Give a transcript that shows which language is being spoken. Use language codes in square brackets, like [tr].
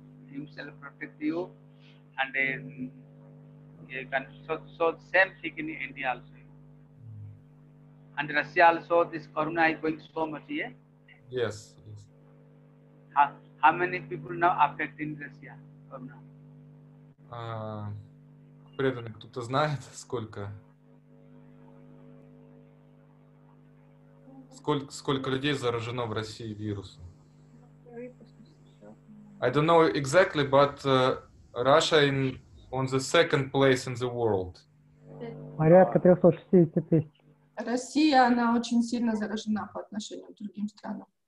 [en] Himself protect you, and then you can so same thing in India also, and Russia also this corona is going so much, yeah. Yes. How many people now affected in Russia from now? [ru] Преданный кто-то знает сколько? Сколько людей заражено в России вирусом? [en] I don't know exactly, but Russia in on the second place in the world. [ru] Порядка 360,000. Россия, она очень сильно заражена по отношению к другим странам.